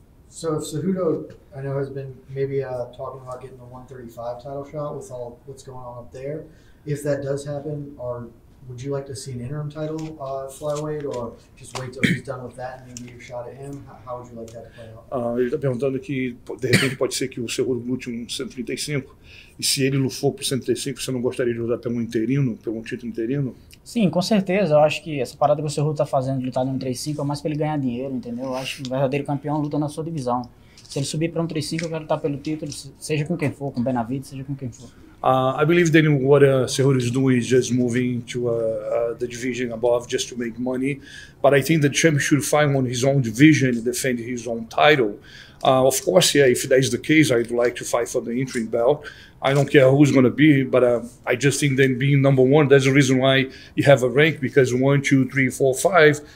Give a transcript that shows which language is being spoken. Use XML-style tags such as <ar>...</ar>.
<en>So if Cejudo, I know, has been maybe talking about getting the 135 title shot with all what's going on up there, if that does happen, or would you like to see an interim title flyweight, or just wait till he's done with that and maybe your shot at him? How would you like that to play out?</en> <pt>Ele está perguntando que, de repente, pode ser que o Cejudo lute 135, e se ele lutou por 135, você não gostaria de lutar pelo interino, pelo título interino? Sim, com certeza. Eu acho que essa parada que o Cejudo está fazendo de lutar no 135 é mais para ele ganhar dinheiro, entendeu? Eu acho que o verdadeiro campeão luta na sua divisão. Se ele subir para 135, eu quero lutar pelo título, seja com quem for, com Benavidez, seja com quem for.</pt> <en>I believe that what Cejudo is doing is just moving to the division above just to make money. But I think the champion should fight on his own division and defend his own title. Of course, yeah, if that is the case, I'd like to fight for the interim belt. I don't care who's going to be, but I just think that being number one, that's the reason why you have a rank, because 1, 2, 3, 4, 5.</en>